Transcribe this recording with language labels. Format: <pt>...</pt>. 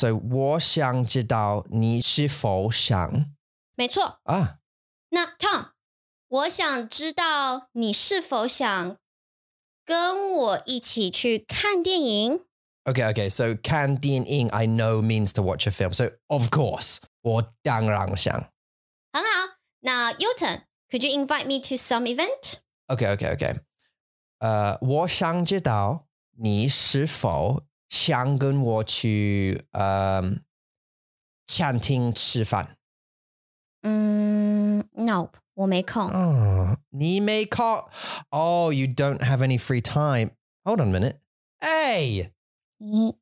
<zh>So 我想知道你是否想。没错。 Ah. 那 Tom, 我想知道你是否想跟我一起去看电影。</zh> <en>Okay, so 看电影 I know means to watch a film. So, of course,</en> <zh>我当然想。很好,那</zh> <en>your turn. Could you invite me to some event? Okay.</en> <zh>我想知道你是否想跟我去餐厅吃饭。</zh> <en>Nope.</en> <zh>我没空。你没空。</zh> <en>Oh, you don't have any free time. Hold on a minute. Hey!</en>